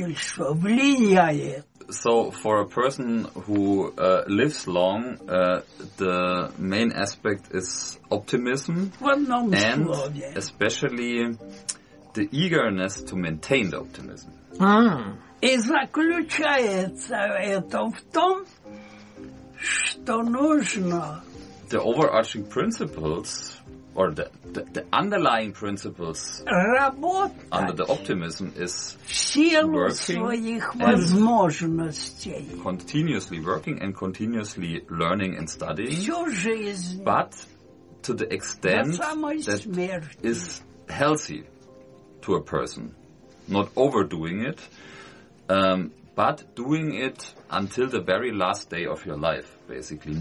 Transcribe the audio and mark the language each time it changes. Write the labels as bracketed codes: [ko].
[en] So, for a person who lives long, the main aspect is optimism, and especially the eagerness to maintain the optimism. [ru] И заключается это в том, что нужно... [en] The overarching principles, or the underlying principles under the optimism is working and continuously learning and studying, but to the extent that is healthy to a person, not overdoing it, but doing it until the very last day of your life, basically.